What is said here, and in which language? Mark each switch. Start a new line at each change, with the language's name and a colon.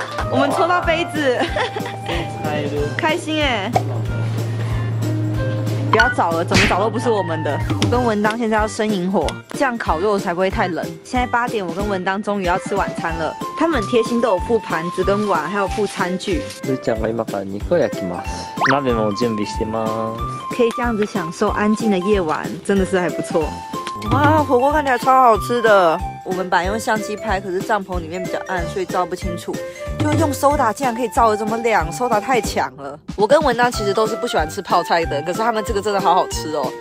Chinese: 我们抽到杯子。开心哎！不要找了，怎么找都不是我们的。我跟文当现在要生营火，这样烤肉才不会太冷。现在8点，我跟文当终于要吃晚餐了。他们贴心都有附盘子跟碗，还有附餐具。
Japanese: ルーちゃんが今から肉焼きます。鍋も準備してます。
Chinese: 可以这样子享受安静的夜晚，真的是还不错。哇，火锅看起来超好吃的。我们本来用相机拍，可是帐篷里面比较暗，所以照不清楚。就用 soda 竟然可以照得这么亮， soda 太强了。我跟文当其实都是不喜欢吃泡菜的，可是他们这个真的好好吃哦。